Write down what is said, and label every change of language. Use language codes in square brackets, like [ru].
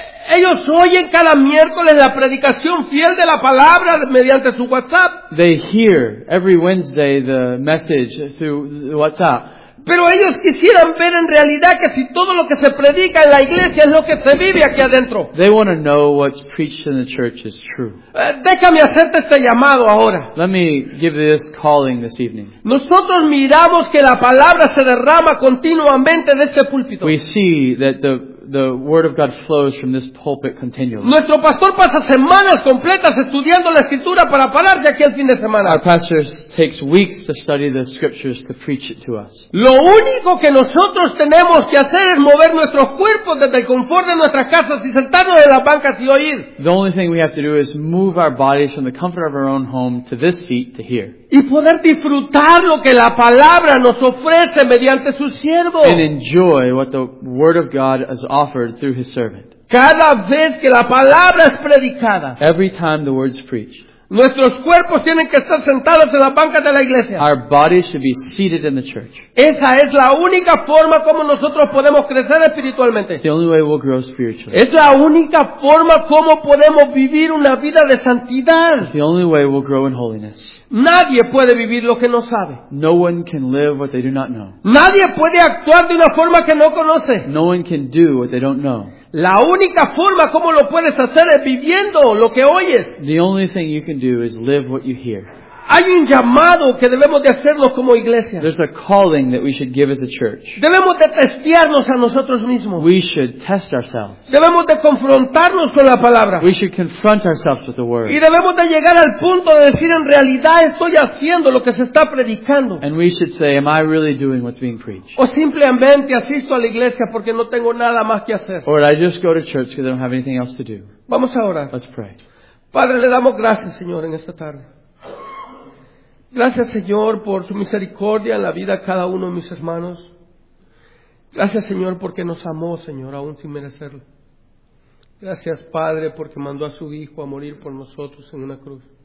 [es] Ellos oyen cada miércoles la predicación fiel de la palabra mediante su WhatsApp. [en] They hear every Wednesday the message through WhatsApp. [es] Pero ellos quisieran ver en realidad que si todo lo que se predica en la iglesia es lo que se vive aquí adentro. [en] They want to know what's preached in the church is true. [es] Déjame hacerte este llamado ahora. [en] Let me give this calling this evening. [es] Nosotros miramos que la palabra se derrama continuamente de este púlpito. [en] We see that the word of God flows from this pulpit continually. [es] Nuestro pastor pasa semanas completas estudiando la escritura para pararse aquí el fin de semana. [en] Our pastor takes weeks to study the scriptures to preach it to us. [es] Lo único que nosotros tenemos que hacer es mover nuestros cuerpos desde el confort de nuestras casas y sentarnos en las bancas y oír. [en] The only thing we have to do is move our bodies from the comfort of our own home to this seat to hear. [es] Y poder disfrutar lo que la palabra nos ofrece mediante su siervo. [en] And enjoy what the word of God has offered through his servant. [es] Cada vez que la palabra es predicada, [en] every time the word is preached, [es] nuestros cuerpos tienen que estar sentados en las bancas de la iglesia. [en] Our bodies should be seated in the church. [es] Esa es la única forma como nosotros podemos crecer espiritualmente. [en] It's the only way we'll grow spiritually. [es] Es la única forma como podemos vivir una vida de santidad. [en] It's the only way we'll grow in holiness. [es] Nadie puede vivir lo que no sabe. [en] No one can live what they do not know. [es] Nadie puede actuar de una forma que no conoce. [en] No one can do what they don't know. [es] La única forma como lo puedes hacer es viviendo lo que oyes. [en] The only thing you can do is live what you hear. [es] Hay un llamado que debemos de hacerlo como iglesia. [en] There's a calling that we should give as a church. [es] Debemos de testearnos a nosotros mismos. [en] We should test ourselves. [es] Debemos de confrontarnos con la palabra. [en] We should confront ourselves with the word. [es] Y debemos de llegar al punto de decir, en realidad estoy haciendo lo que se está predicando. [en] And we should say, am I really doing what's being preached? [es] O simplemente asisto a la iglesia porque no tengo nada más que hacer. [en] Or I just go to church because I don't have anything else to do. [es] Vamos a orar. [en] Let's pray. [es] Padre, le damos gracias, Señor, en esta tarde. Gracias, Señor, por su misericordia en la vida de cada uno de mis hermanos. Gracias, Señor, porque nos amó, Señor, aún sin merecerlo. Gracias, Padre, porque mandó a su Hijo a morir por nosotros en una cruz.